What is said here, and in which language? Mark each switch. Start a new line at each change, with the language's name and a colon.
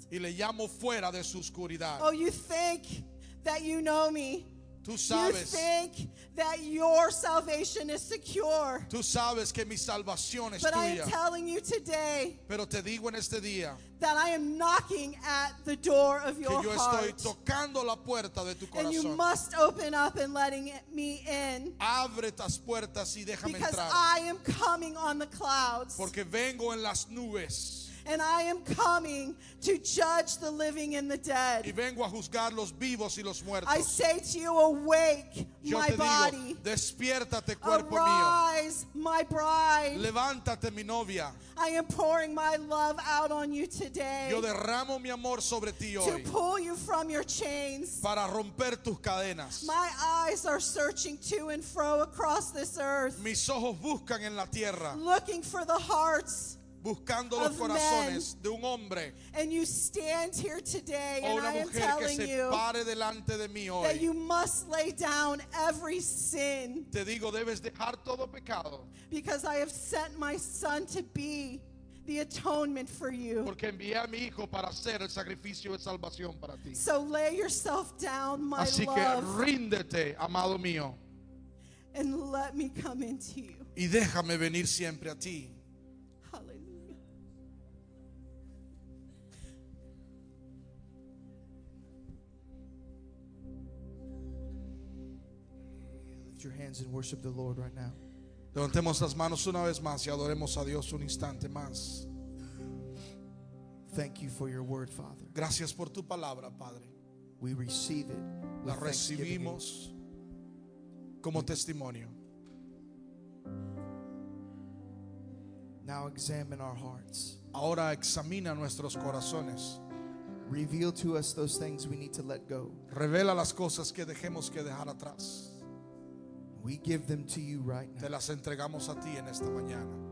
Spanish: Y le llamo fuera de su oscuridad.
English: Oh, you think that you know me.
Spanish: Tú sabes.
English: You think that your salvation is secure.
Spanish: Tú sabes que mi salvación es tuya.
English: But I am telling you today.
Spanish: Pero te digo en este día.
English: That I am knocking at the door of your heart.
Spanish: Que yo estoy tocando la puerta de tu corazón.
English: And you must open up and letting me in.
Spanish: Abre tus puertas y déjame entrar.
English: Because I am coming on the clouds.
Spanish: Porque vengo en las nubes.
English: And I am coming to judge the living and the dead.
Spanish: Y vengo a juzgar los vivos y los muertos.
English: I say to you, awake,
Spanish: yo
English: my body.
Spanish: Digo, despiértate, cuerpo
English: arise,
Spanish: mío.
English: My bride.
Spanish: Levántate, mi novia.
English: I am pouring my love out on you today.
Spanish: Yo derramo mi amor sobre ti hoy.
English: To pull you from your chains.
Spanish: Para romper tus cadenas.
English: My eyes are searching to and fro across this earth.
Spanish: Mis ojos buscan en la tierra.
English: Looking for the hearts.
Spanish: Buscando los corazones de un hombre.
English: And you stand here today,
Spanish: o una mujer que se pare delante de mí hoy.
English: That you must lay down every sin.
Spanish: Te digo, debes dejar todo pecado.
English: Because I have sent my son to be the atonement for you.
Spanish: Porque envié a mi hijo para hacer el sacrificio de salvación para ti.
English: So lay yourself down, my love.
Spanish: Así que ríndete, amado mío.
English: And let me come into you.
Spanish: Y déjame venir siempre a ti.
English: Your hands and worship the Lord right now.
Spanish: Levantemos las manos una vez más y adoremos a Dios un instante más.
English: Thank you for your word, Father.
Spanish: Gracias por tu palabra, Padre.
English: We receive it.
Spanish: La recibimos como testimonio.
English: Now examine our hearts.
Spanish: Ahora examina nuestros corazones.
English: Reveal to us those things we need to let go.
Spanish: Revela las cosas que dejemos que dejar atrás.
English: We give them to you right now.
Spanish: Te las entregamos a ti en esta mañana.